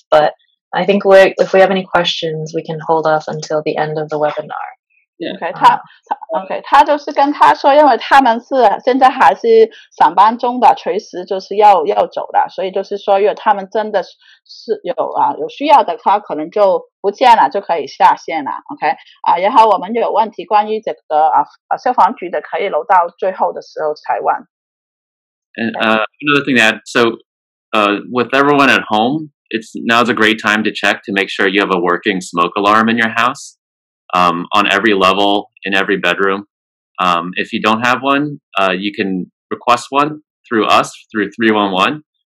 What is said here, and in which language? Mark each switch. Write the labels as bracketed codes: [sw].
[en] But I think if we have any questions, we can hold off until the end of the webinar. [zh] 他就是跟他说，因为他们是现在还是上班中的，随时就是要走的，所以就是说，如果他们真的是有需要的，他可能就不见了，就可以下线了。 OK 啊，然后我们有问题关于这个消防局的，可以留到最后的时候才问。 [en] And another thing to add, so with everyone at home, it's now's a great time to check to make sure you have a working smoke alarm in your house. On every level, in every bedroom. If you don't have one, you can request one through us, through 311.